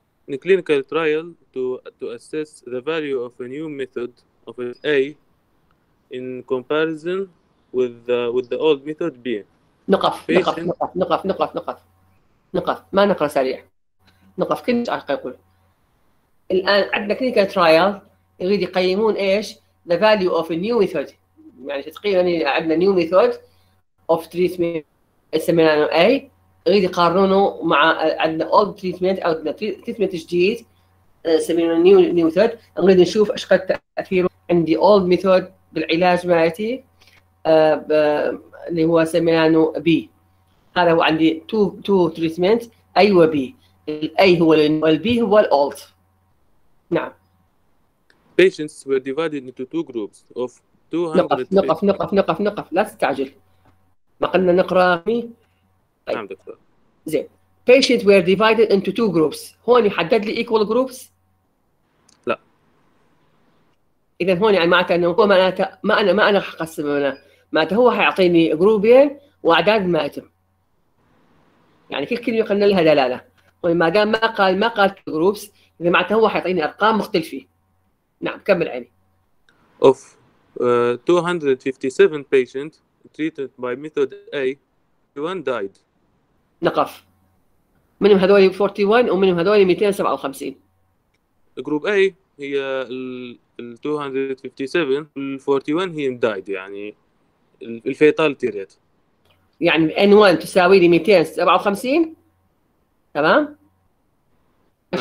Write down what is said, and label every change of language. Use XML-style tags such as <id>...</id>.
<en>In clinical trial to assess the value of a new method of A in comparison with the old method B.</en> <ar>نقف نقف</ar> <en>Patient.</en> <ar>نقف نقف نقف نقف نقف ما نقرا سريع نقف كل ايش يقول الان عندنا كلينيكال ترايل يريد يقيمون ايش</ar> <en>the value of a new method</en> <ar>يعني تقييم يعني عندنا new method of treatment اسمه انا A يريد يقارنونه مع عندنا</ar> <en>old treatment</en> <ar>او عندنا treatment جديد سمينا new method نريد نشوف ايش قد تاثيره عندي old method بالعلاج مالتي اللي هو سميانو بي هذا هو عندي تو تريتمنت اي وبي الاي هو والبي هو الالت نعم</ar> <en>Patients were divided into two groups of 200</en> <ar>نقف نقف نقف نقف نقف لا تستعجل ما قلنا نقرا مي طيب نعم دكتور</ar> <en>زين patient were divided into two groups</en> <ar>هون يحدد لي</ar> <en>equal groups</en> <ar>لا اذا هون يعني معناته انه هو معناته ما انا هقسم انا معناته هو حيعطيني جروبين واعداد مائتم يعني كل كلمه قلنا لها دلاله وما دام ما قال جروبس اذا معناته هو حيعطيني ارقام مختلفه نعم كمل عيني</ar> <en>Of 257 patients treated by method A, one died.</en> <ar>نقف منهم هذول 41 ومنهم هذول 257 Group A هي ال 257 وال 41 هي died يعني ال</ar> <en>fatality rate.</en> <ar>يعني ال N1 تساوي لي 257 تمام؟ ايش</ar>